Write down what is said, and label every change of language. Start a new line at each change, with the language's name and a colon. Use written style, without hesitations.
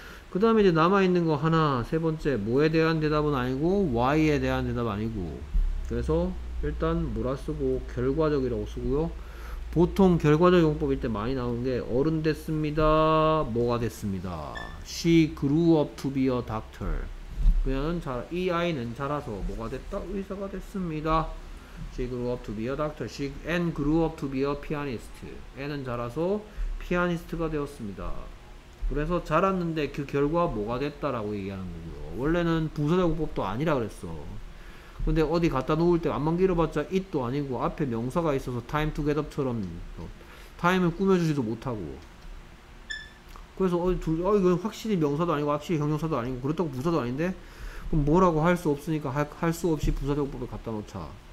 Korean: 그 다음에 이제 남아있는 거 하나, 세 번째, 뭐에 대한 대답은 아니고 why에 대한 대답 아니고, 그래서 일단 뭐라 쓰고 결과적이라고 쓰고요. 보통 결과적 용법일 때 많이 나오는 게 어른 됐습니다, 뭐가 됐습니다,
English: she grew up to be a doctor.
Korean: 그녀는 이 아이는 자라서 뭐가 됐다? 의사가 됐습니다.
English: she grew up to be a doctor. she and grew up to be a pianist.
Korean: and은 자라서 피아니스트가 되었습니다. 그래서 자랐는데 그 결과 뭐가 됐다라고 얘기하는 거고요. 원래는 부사적 용법도 아니라 그랬어. 근데 어디 갖다 놓을 때 앞만 길어봤자 it도 아니고 앞에 명사가 있어서 time to get up처럼 time을 꾸며주지도 못하고, 그래서 이건 확실히 명사도 아니고 확실히 형용사도 아니고 그렇다고 부사도 아닌데, 그럼 뭐라고 할 수 없으니까 할 수 없이 부사적 법을 갖다 놓자.